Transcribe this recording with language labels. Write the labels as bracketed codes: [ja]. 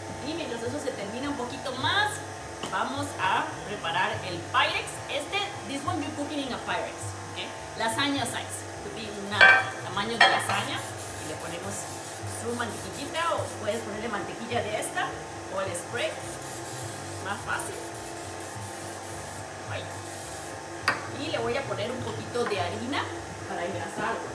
[es] Mientras eso se termina un poquito más, vamos a preparar el Pyrex. [en] This one you're cooking in a Pyrex, okay? Lasagna size, could be [es] un tamaño de lasaña. Y le ponemos su mantequillita, o puedes ponerle mantequilla de esta, o el spray, más fácil. Ahí. Y le voy a poner un poquito de harina para engrasar.